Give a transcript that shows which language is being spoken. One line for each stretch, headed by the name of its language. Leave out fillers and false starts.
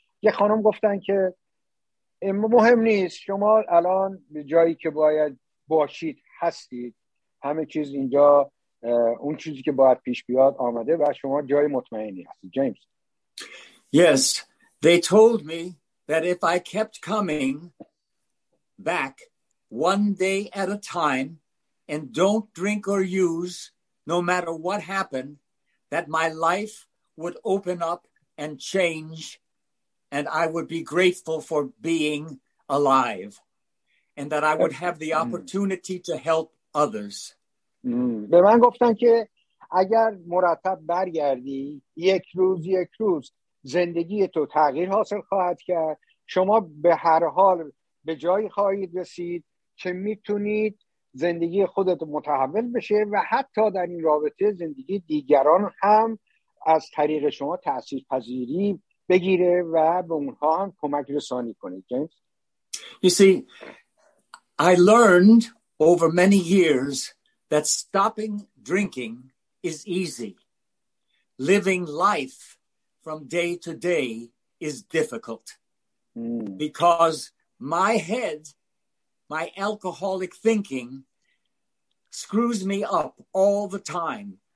Persian: یه خانم گفتن که مهم نیست، شما الان جایی که باید باشید هستید، همه چیز اینجا اون چیزی که باید پیش بیاد آمده و شما جای مطمئنی هستید. جیمز:
English: Yes, they told me that if I kept coming back one day at a time and don't drink or use, no matter what happened, that my life would open up and change, and I would be grateful for being alive, and that I would have the opportunity to help others.
Persian: به من گفتن که اگر مرتب برگردی، یک روز زندگی تو تغییر حاصل خواهد کرد، شما به هر حال به جایی خواهید رسید که میتونید زندگی خودت متحول بشه و حتی در این رابطه زندگی دیگران هم از طریق شما تأثیر پذیری بگیره و به اونها هم کمک رسانی کنه. جیمز:
English: You see, I learned over many years that stopping drinking is easy. Living life from day to day is difficult. Because my head, my alcoholic thinking screws me up all the time.